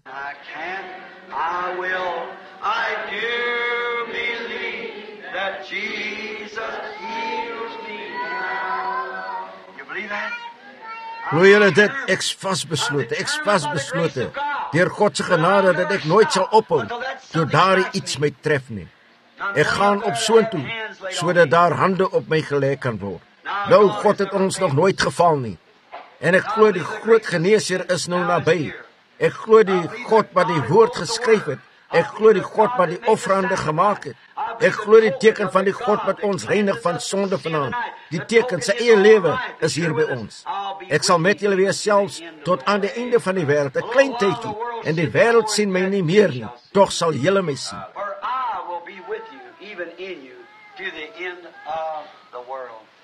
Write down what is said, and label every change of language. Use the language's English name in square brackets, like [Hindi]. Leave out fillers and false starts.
[English] I can, I will, I do believe that Jesus heals me now. You believe that? [Afrikaans] Glooi julle dit, ek's vasbeslote, ek's vasbeslote, deur God se genade dat ek nooit sal ophou, deur daar iets my tref nie. Ek gaan op soontoe, so dat daar hande op my gelê kan word. Nou, God het ons nog nooit geval nie. En ek glo die groot geneesheer is nou nabij. Ek glo die God wat die woord geskryf het. Ek glo die God wat die offerande gemaak het. Ek glo die teken van die God wat ons reinig van sonde vanaand. Die teken, sy eie lewe, is hier by ons. Ek sal met julle wees selfs tot aan die einde van die wêreld, 'n klein tydjie, en die wêreld sien my nie meer nie, tog sal julle my sien. [English] For I will be with you, even in you, to the end of the world.